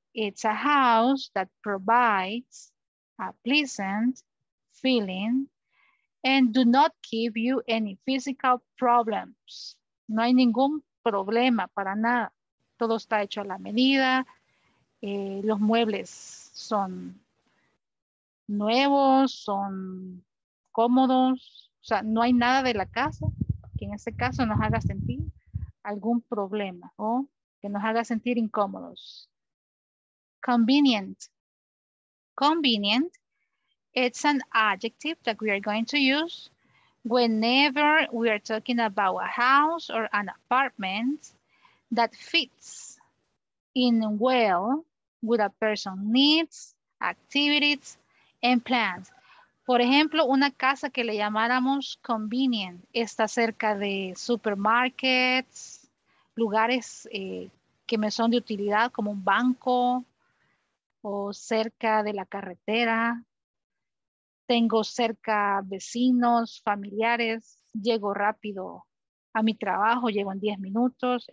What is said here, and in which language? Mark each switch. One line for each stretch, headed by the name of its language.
English: It's a house that provides a pleasant feeling and do not give you any physical problems.
Spanish: No hay ningún problema para nada. Todo está hecho a la medida, los muebles son nuevos, son cómodos, o sea, no hay nada de la casa que en este caso nos haga sentir algún problema o que nos haga sentir incómodos.
English: Convenient. Convenient, it's an adjective that we are going to use whenever we are talking about a house or an apartment that fits in well with a person's needs, activities, and plans.
Spanish: Por ejemplo, una casa que le llamáramos convenient, está cerca de supermarkets, lugares que me son de utilidad como un banco o cerca de la carretera. Tengo cerca vecinos, familiares, llego rápido a mi trabajo, llego en 10 minutos.